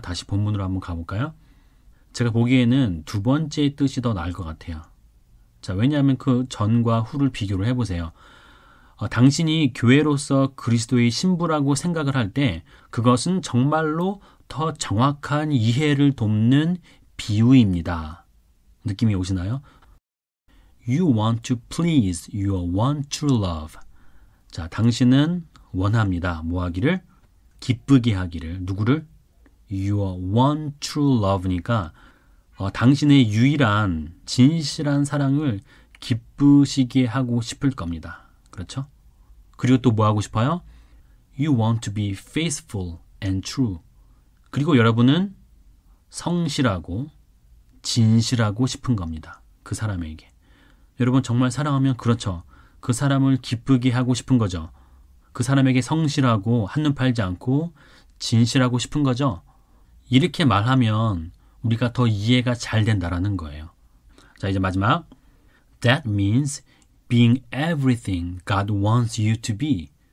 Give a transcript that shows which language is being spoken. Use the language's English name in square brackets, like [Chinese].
[Korean] 다시 본문으로 한번 가볼까요? 제가 보기에는 두 번째 뜻이 더 나을 것 같아요. 자, 왜냐하면 그 전과 후를 비교를 해보세요. 당신이 교회로서 그리스도의 신부라고 생각을 할 때 그것은 정말로 더 정확한 이해를 돕는 비유입니다. 느낌이 오시나요? [English] You want to please your one true love. [Korean] 자, 당신은 원합니다. 뭐 하기를? 기쁘게 하기를. 누구를? [English] Your one true love [Korean] 니까 당신의 유일한 진실한 사랑을 기쁘시게 하고 싶을 겁니다. 그렇죠? 그리고 또 뭐 하고 싶어요? [English] You want to be faithful and true. [Korean] 그리고 여러분은 성실하고 진실하고 싶은 겁니다. 그 사람에게. 여러분 정말 사랑하면 그렇죠. 그 사람을 기쁘게 하고 싶은 거죠. 그 사람에게 성실하고 한눈 팔지 않고 진실하고 싶은 거죠. 이렇게 말하면 우리가 더 이해가 잘 된다라는 거예요. 자, 이제 마지막. [English] That means being everything God wants you to be.